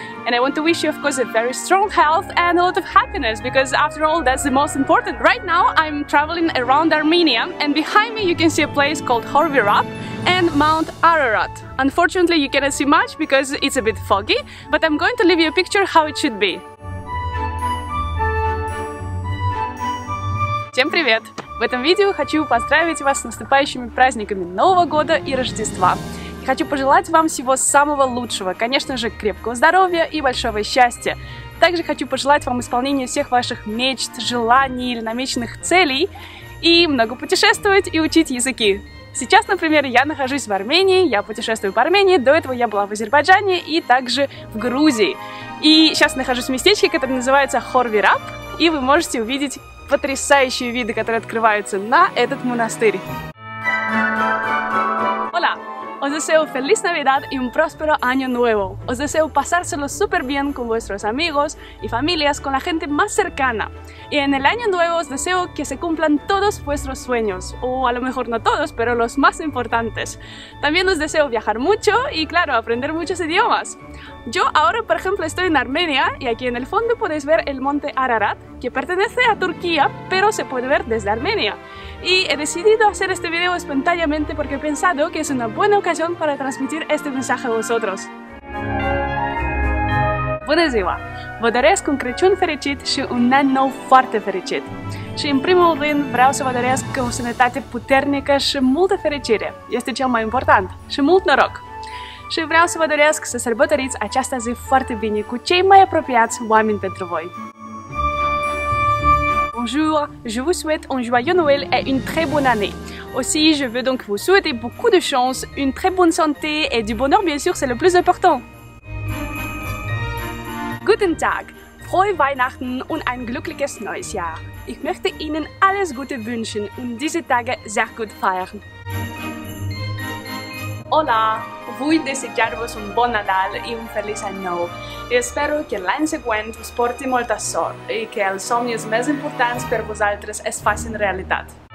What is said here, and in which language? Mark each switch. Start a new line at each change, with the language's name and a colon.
English: And I want to wish you, of course, a very strong health and a lot of happiness, because after all, that's the most important. Right now, I'm traveling around Armenia, and behind me you can see a place called Horvirap and Mount Ararat. Unfortunately, you cannot see much because it's a bit foggy, but I'm going to leave you a picture how it should be.
Russian: Всем привет! В этом видео хочу поздравить вас с наступающими праздниками Нового года и Рождества. И хочу пожелать вам всего самого лучшего, конечно же, крепкого здоровья и большого счастья. Также хочу пожелать вам исполнения всех ваших мечт, желаний или намеченных целей и много путешествовать и учить языки. Сейчас, например, я нахожусь в Армении, я путешествую по Армении, до этого я была в Азербайджане и также в Грузии. И сейчас нахожусь в местечке, которое называется Хорвирап, и вы можете увидеть потрясающие виды, которые открываются на этот монастырь.
Spanish: Hola! Os deseo feliz Navidad y un próspero año nuevo. Os deseo pasárselo súper bien con vuestros amigos y familias, con la gente más cercana. Y en el año nuevo os deseo que se cumplan todos vuestros sueños, o a lo mejor no todos, pero los más importantes. También os deseo viajar mucho y, claro, aprender muchos idiomas. Yo ahora, por ejemplo, estoy en Armenia y aquí en el fondo podéis ver el monte Ararat, que pertenece a Turquía, pero se puede ver desde Armenia. Y he decidido hacer este video espontáneamente porque he pensado que es una buena ocasión para transmitir este mensaje a vosotros.
Romanian: Bună ziua! Vă doresc un Crăciun fericit și un an nou foarte fericit. Și în primul rând vreau să vă doresc o sănătate puternică și multă fericire. Este cel mai important. Și mult noroc! Și vreau să vă doresc să sărbătoriți această zi foarte bine cu cei mai apropiați oameni pentru voi.
French: Bonjour, je vous souhaite un joyeux Noël et une très bonne année. Aussi, je veux donc vous souhaiter beaucoup de chance, une très bonne santé et du bonheur, bien sûr, c'est le plus important.
German: Guten Tag, frohe Weihnachten und ein glückliches neues Jahr. Ich möchte Ihnen alles Gute wünschen und diese Tage sehr gut feiern.
Spanish: Hola, voy a desearos un buen Natal y un feliz año nuevo. Y espero que el año siguiente os porte mucha suerte y que los sueños más importantes para vosotros es fácil en realidad.